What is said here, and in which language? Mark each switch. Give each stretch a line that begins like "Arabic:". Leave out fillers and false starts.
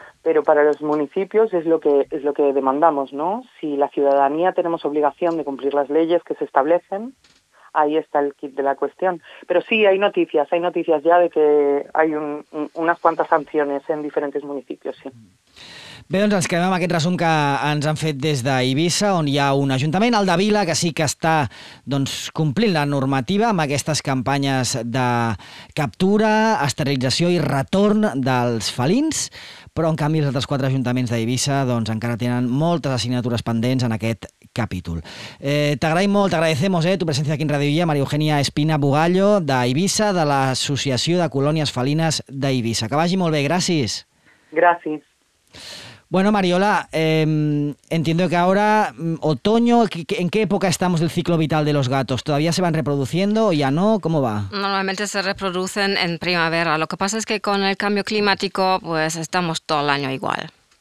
Spanish: Pero para los municipios es lo que demandamos, ¿no? Si la ciudadanía tenemos obligación de cumplir las leyes que se establecen, ahí está el quid de la cuestión. Pero sí, hay noticias ya de que hay unas cuantas sanciones en diferentes municipios, sí.
Catalan: Bé, doncs ens quedem amb aquest resum que ens han fet des d'Eivissa, on hi ha un ajuntament, el de Vila, que sí que està doncs, complint la normativa amb aquestes campanyes de captura, esterilització i retorn dels felins, però en canvi els altres quatre ajuntaments d'Eivissa doncs, encara tenen moltes assignatures pendents en aquest capítol. T'agraïm molt,
Spanish: t'agradecemos
Catalan: tu presència aquí en Radio Illa, Maria Eugènia Espina Bugallo, d'Eivissa, de l'Associació de Colònies Felines d'Eivissa. Que vagi molt bé, gràcies. Gràcies.
Spanish: Bueno, Mariola, entiendo que ahora, otoño, ¿en qué época estamos del ciclo vital de los gatos? ¿Todavía se van reproduciendo o ya no? ¿Cómo va? Normalmente se reproducen en primavera. Lo que pasa es que con el cambio climático, pues estamos todo el año igual.